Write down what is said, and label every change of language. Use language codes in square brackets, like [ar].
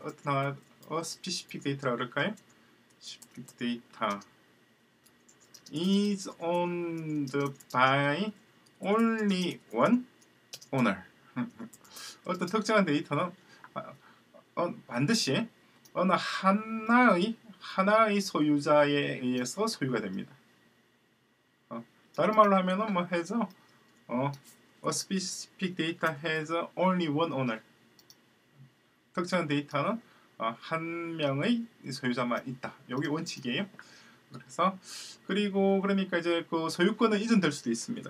[ko] 어떤 specific data라고 할까요? [en] Specific data is owned by only one owner. [ko] 어떤 특정한 데이터는 반드시 어느 하나의 소유자에 의해서 소유가 됩니다. 다른 말로 하면은 뭐 해서 [en] a specific data has only one owner. [ko] 특정한 데이터는 한 명의 소유자만 있다. 여기 원칙이에요. 그래서 그리고 그러니까 이제 그 소유권은 이전될 수도 있습니다.